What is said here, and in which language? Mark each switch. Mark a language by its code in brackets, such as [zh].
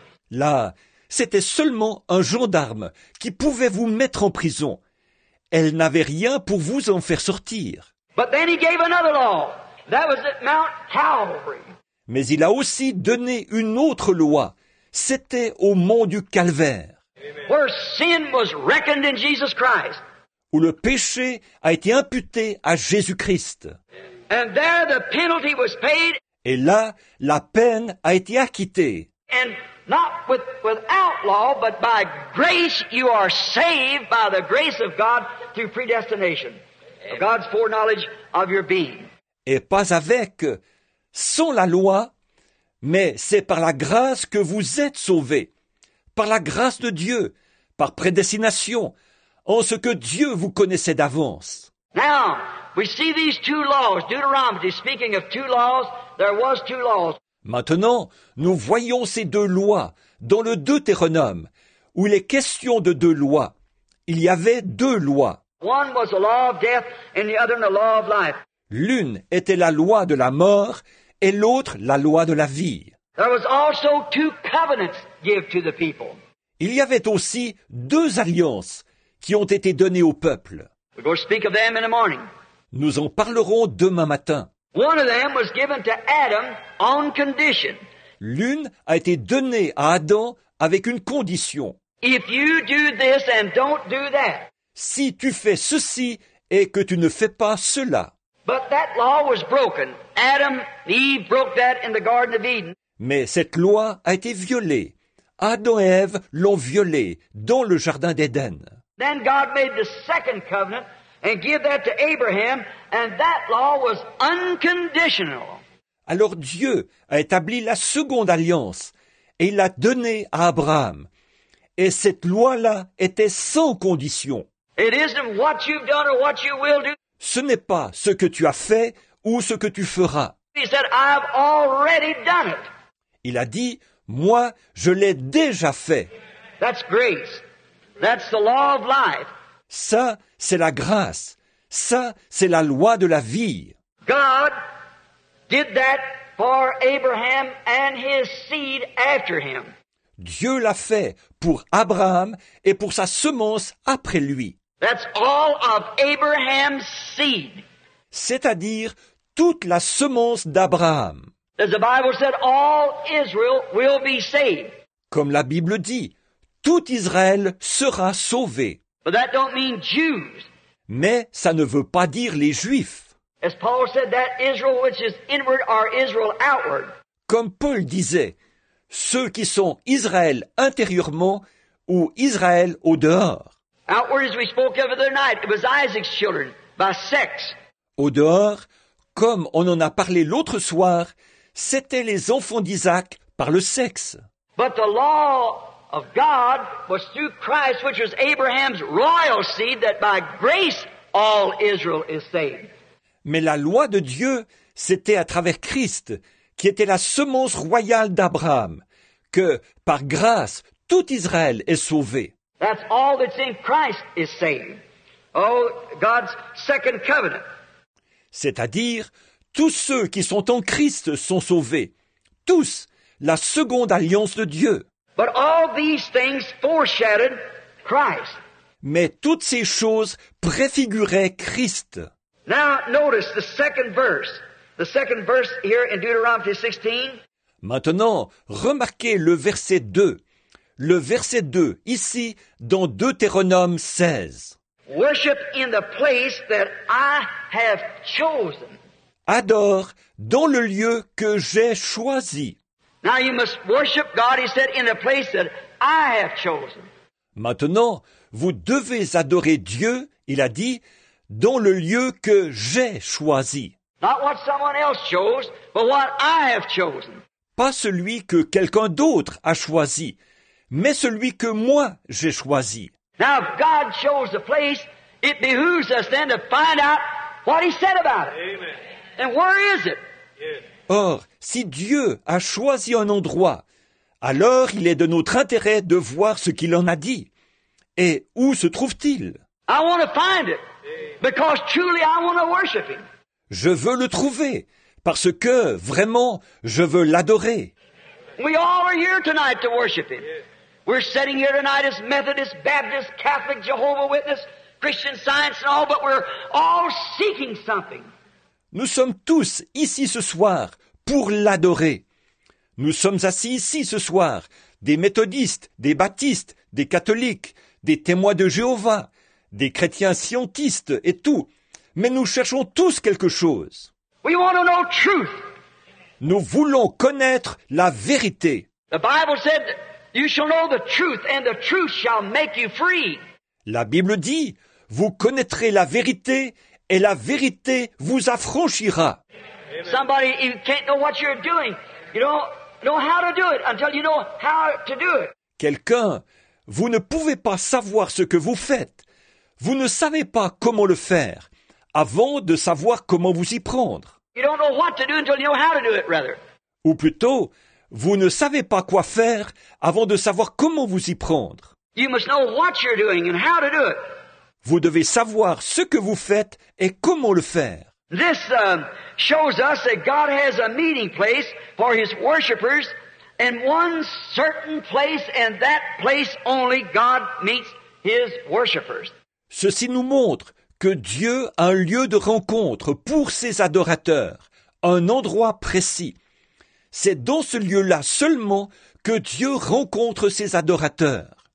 [fr] Là, c'était seulement un gendarme qui pouvait vous mettre en prison. Elle n'avait rien pour vous en faire sortir. [en] But then he gave another law. That was at Mount Calvary. [fr] Mais il a aussi donné une autre loi. C'était au mont du Calvaire. [en] Where sin was reckoned in Jesus Christ. [fr] Où le péché a été imputé à Jésus-Christ. [en] And there the penalty was paid. [fr] Et là, la peine a été acquittée. [en] And not with, without law, but by grace you are saved by the grace of God through predestination. Of God's foreknowledge of your being. [fr] Et pas avec, sans la loi, mais c'est par la grâce que vous êtes sauvés. Par la grâce de Dieu, par prédestination, en ce que Dieu vous connaissait d'avance. [en] Now, we see these two laws, Deuteronomy speaking of two laws, there was two laws. [fr] Maintenant, nous voyons ces deux lois dans le Deutéronome, où il est question de deux lois. Il y avait deux lois. [en] One was the law of death and the other the law of life. [fr] L'une était la loi de la mort et l'autre la loi de la vie. [en] There was also two covenants given to the people. [fr] Il y avait aussi deux alliances qui ont été données au peuple. [en] We'll speak of them in the morning. [fr] Nous en parlerons demain matin. [en] One of them was given to Adam on condition. [fr] L'une a été donnée à Adam avec une condition. [en] If you do this and don't do that. [fr] Si tu fais ceci et que tu ne fais pas cela. [en] But that law was broken. Adam and Eve broke that in the Garden of Eden. [fr] Mais cette loi a été violée. Adam et Ève l'ont violée dans le jardin d'Éden. [en] Then God made the second covenant and gave that to Abraham, and that law was unconditional. [fr] Alors Dieu a établi la seconde alliance et il l'a donnée à Abraham. Et cette loi-là était sans condition. [en] It isn't what you've done or what you will do. [fr] Ce n'est pas ce que tu as fait ou ce que tu feras. [en] He said, I've already done it. [fr] Il a dit, moi, je l'ai déjà fait. [en] That's grace. That's the law of life. [fr] Ça, c'est la grâce. Ça, c'est la loi de la vie. [en] God did that for Abraham and his seed after him. [fr] Dieu l'a fait pour Abraham et pour sa semence après lui. [en] That's all of Abraham's seed. [fr] C'est-à-dire toute la semence d'Abraham. [en] As the Bible said, all Israel will be saved. [fr] Comme la Bible dit, tout Israël sera sauvé. [en] But that don't mean Jews. [fr] Mais ça ne veut pas dire les Juifs. [en] As Paul said, that Israel which is inward are Israel outward. [fr] Comme Paul disait, ceux qui sont Israël intérieurement ou Israël au dehors. [en] Outward, as we spoke of the other night, it was Isaac's children by sex. [fr] Au dehors, comme on en a parlé l'autre soir, c'était les enfants d'Isaac par le sexe. [en] But the law of God was through Christ, which was Abraham's royal seed, that by grace all Israel is saved. [fr] Mais la loi de Dieu, c'était à travers Christ, qui était la semence royale d'Abraham, que par grâce tout Israël est sauvé. [en] That's all that's in Christ is saved. Oh, God's second covenant. [fr] C'est-à-dire, tous ceux qui sont en Christ sont sauvés. Tous, la seconde alliance de Dieu. [en] But all these things foreshadowed Christ. [fr] Mais toutes ces choses préfiguraient Christ. [en] Now notice the second verse. The second verse here in Deuteronomy 16. [fr] Maintenant, remarquez le verset 2. Le verset 2, ici, dans Deutéronome 16. [en] Worship in the place that I have chosen. [fr] Adore dans le lieu que j'ai choisi. [en] Now you must worship God, he said, in the place that I have chosen. [fr] Maintenant, vous devez adorer Dieu, il a dit, dans le lieu que j'ai choisi. [en] Not what someone else chose, but what I have chosen. [fr] Pas celui que quelqu'un d'autre a choisi, mais celui que moi j'ai choisi. [en] Now if God chose the place, it behooves us then to find out what he said about it. Amen. And where is it? [fr] Or, si Dieu a choisi un endroit, alors il est de notre intérêt de voir ce qu'il en a dit. Et où se trouve-t-il? [en] I want to find it, because truly I want to worship him. [fr] Je veux le trouver, parce que, vraiment, je veux l'adorer. [en] We all are here tonight to worship him. We're sitting here tonight as Methodists, Baptists, Catholics, Jehovah's Witness, Christian Science and all, but we're all seeking something. [fr] Nous sommes tous ici ce soir pour l'adorer. Nous sommes assis ici ce soir, des méthodistes, des baptistes, des catholiques, des témoins de Jéhovah, des chrétiens scientistes et tout. Mais nous cherchons tous quelque chose. [en] We want to know truth. [fr] Nous voulons connaître la vérité. [en] The Bible said, you shall know the truth, and the truth shall make you free. [fr] La Bible dit, vous connaîtrez la vérité, et la vérité vous affranchira. [en] Somebody, you can't know what you're doing. You don't know how to do it until you know how to do it. [fr] Quelqu'un, vous ne pouvez pas savoir ce que vous faites. Vous ne savez pas comment le faire avant de savoir comment vous y prendre. [en] You don't know what to do until you know how to do it, rather. [fr] Ou plutôt, vous ne savez pas quoi faire avant de savoir comment vous y prendre. [en] You must know what you're doing and how to do it. [fr] Vous devez savoir ce que vous faites et comment le faire. [en] This shows us that God has a meeting place for his worshipers and one certain place, and that place only God meets his worshipers. [fr] Ceci nous montre que Dieu a un lieu de rencontre pour ses adorateurs, un endroit précis. C'est dans ce lieu-là seulement que Dieu rencontre ses adorateurs.